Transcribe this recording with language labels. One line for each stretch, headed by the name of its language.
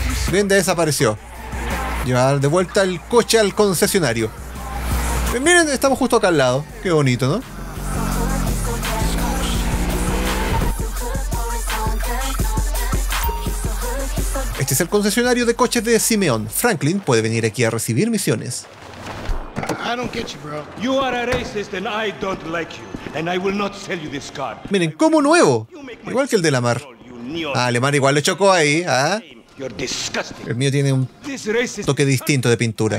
Spanish: Bien, desapareció. Llevar de vuelta el coche al concesionario. Miren, estamos justo acá al lado. Qué bonito, ¿no? Este es el concesionario de coches de Simeon. Franklin puede venir aquí a recibir misiones.
English: I don't get you, bro. You are a racist and I don't like you. And I will not sell you this car.
Spanish: Miren, como nuevo. Igual que el de Lamar. Ah, Lamar igual lo chocó ahí, ¿ah? ¿Eh?
English: You're disgusting.
Spanish: El mío tiene un toque distinto de pintura.